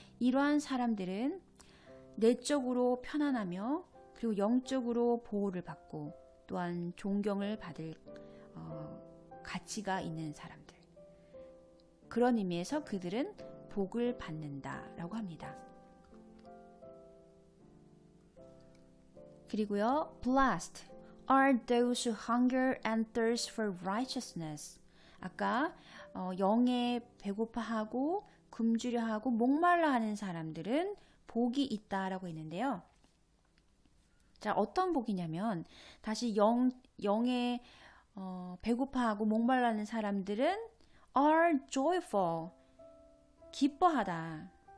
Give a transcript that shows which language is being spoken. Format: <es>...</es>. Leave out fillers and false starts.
<ko>이러한 사람들은 내적으로 편안하며 그리고 영적으로 보호를 받고 또한 존경을 받을 가치가 있는 사람들 그런 의미에서 그들은 복을 받는다 라고 합니다. 그리고요</ko> <en>blessed are those who hunger and thirst for righteousness.</en> <ko>아까 영에 배고파하고 굶주려하고 목말라 하는 사람들은 복이 있다 라고 했는데요. 자 어떤 복이냐면 다시 영에 배고파하고 목말라는 사람들은</ko> <en>are joyful,</en> <ko>기뻐하다.</ko>